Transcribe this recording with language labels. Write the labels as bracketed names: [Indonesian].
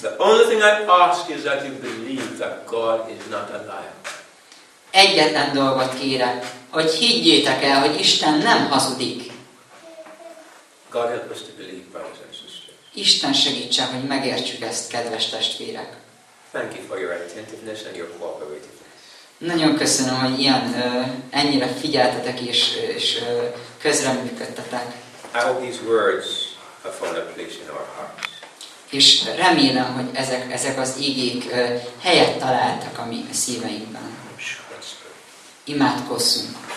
[English] The only thing I ask is that you believe that God is not a liar. [Hungarian] Egyetlen dolgot kérek, hogy higgyétek el, hogy Isten nem hazudik. [English] God help us to believe, brothers and sisters. [Hungarian] Isten segítsen, hogy megértsük ezt, kedves testvérek. [English] Thank you for your attentiveness and your cooperativeness. [Hungarian] Nagyon köszönöm, hogy ilyen ennyire figyeltetek és közreműködtetek. [English] All these words have found a place in our hearts. [Hungarian] És remélem, hogy ezek az igék helyet találtak a mi szíveinkben. Imádkozzunk.